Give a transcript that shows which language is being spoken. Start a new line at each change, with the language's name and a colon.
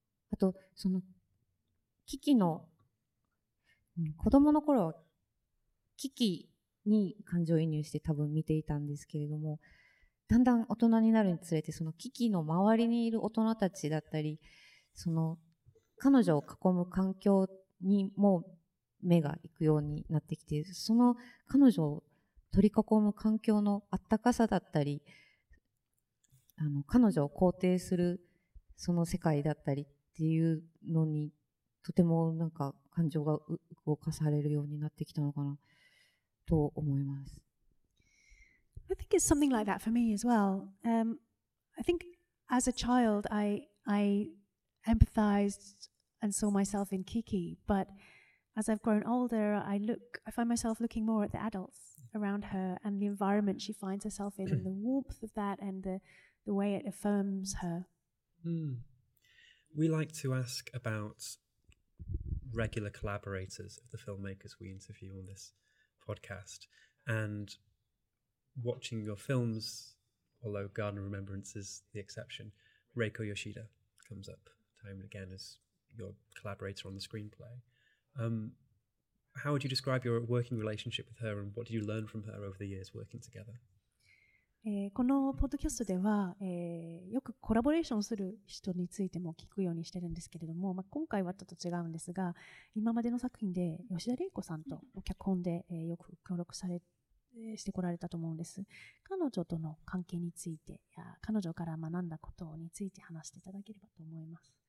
Japanese: あとそのキキの、子供の頃はキキに感情移入して多分見ていたんですけれども、だんだん大人になるにつれてそのキキの周りにいる大人たちだったり、その彼女を囲む環境にも目が行くようになってきて、その彼女を取り囲む環境のあったかさだったり、彼女を肯定するその世界だったりっていうのにとてもなんか感情が動かされるようになってきたのかなと思います。
English: I think it's something like that for me as well. I think as a child I empathized and saw myself in Kiki, but as I've grown older I find myself looking more at the adults around her and the environment she finds herself in and the warmth of that and the way it affirms her. We like to ask about regular collaborators of the filmmakers we interview on this podcast, and watching your films, although Garden of Remembrance is the exception, Reiko Yoshida comes up time and again as your collaborator on the screenplay. How would you describe your working relationship with her and what did you learn from her over the years working together?
Japanese: このポッドキャストでは、よくコラボレーションする人についても聞くようにしてるんですけれども、まあ、今回はちょっと違うんですが、今までの作品で吉田玲子さんと脚本で、よく協力されしてこられたと思うんです。彼女との関係についてや彼女から学んだことについて話していただければと思います。